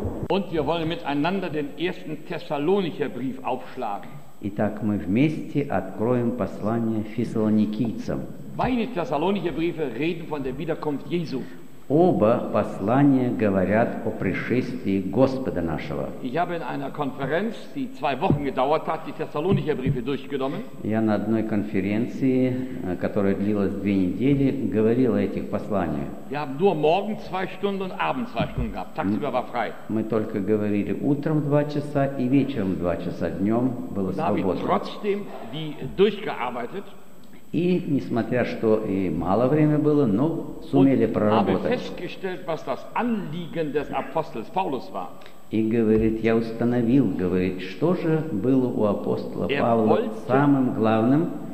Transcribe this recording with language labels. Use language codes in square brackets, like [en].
[de] Und wir wollen miteinander den ersten Thessalonicher Brief aufschlagen. [ru] Итак, мы вместе откроем послание Фессалоникийцам. [de] Beide Thessalonicher Briefe reden von der Wiederkunft Jesu. [ru] Оба послания говорят о пришествии Господа нашего. [de] Ich habe in einer Konferenz, die zwei Wochen gedauert hat, die Thessalonicher Briefe durchgenommen. [ru] Я на одной конференции, которая длилась две недели, говорил о этих посланиях. [de] Wir haben nur morgens zwei Stunden und abends zwei Stunden gehabt. Tagsüber war frei. [ru] Мы только говорили утром два часа и вечером два часа, днем было свободно. [de] Da habe ich trotzdem die durchgearbeitet. [ru] И, несмотря что и мало времени было, но сумели [de] und [ru] проработать. И говорит, я установил, говорит, что же было у апостола Павла самым главным.